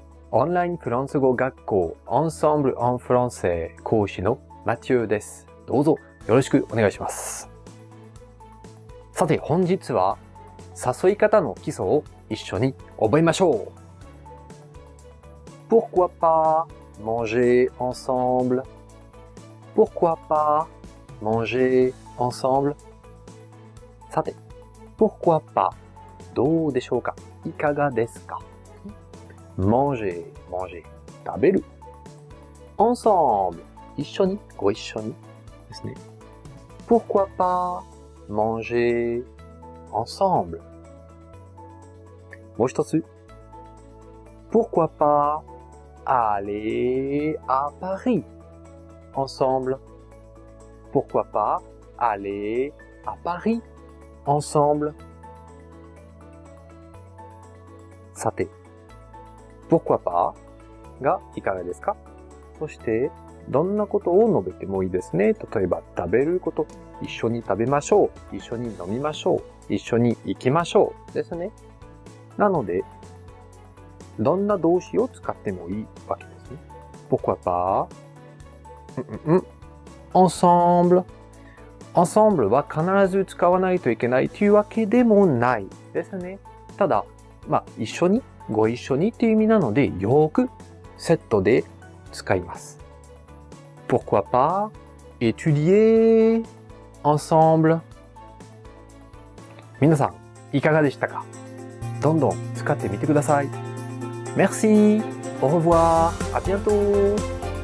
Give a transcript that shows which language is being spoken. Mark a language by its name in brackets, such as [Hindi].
[Japanese] オンラインフランス語学校、Ensemble en Français 講師のマチューです。どうぞよろしくお願いします。さて、本日は誘い方の基礎を一緒に覚えましょう。 [French] Pourquoi pas manger ensemble? Pourquoi pas manger ensemble? [Japanese] さて、 [French] Pourquoi pas? [Japanese] どうでしょうか？いかがですか？ [French] Manger, manger, [Japanese] 食べる。 [French] Ensemble, [Japanese] 一緒に、ご一緒にですね。 [French] Pourquoi pas manger ensemble? [Japanese] もう一つ。 [French] Pourquoi pas aller à Paris ensemble? Pourquoi pas aller à Paris? Ensemble. [Japanese] さて、 [French] pourquoi pas [Japanese] がいかがですか？そして、どんなことを述べてもいいですね。例えば、食べること、一緒に食べましょう、一緒に飲みましょう、一緒に行きましょうですね。なので、どんな動詞を使ってもいいわけですね。 [French] pourquoi pas? Ensemble. [Japanese] Ensemble は必ず使わないといけないというわけでもないですね。ただ、まあ、一緒に、ご一緒にという意味なので、よくセットで使います。 [French] Pourquoi pas étudier ensemble? [Japanese] 皆さん、いかがでしたか？どんどん使ってみてください。 [French] Merci! Au revoir! À bientôt!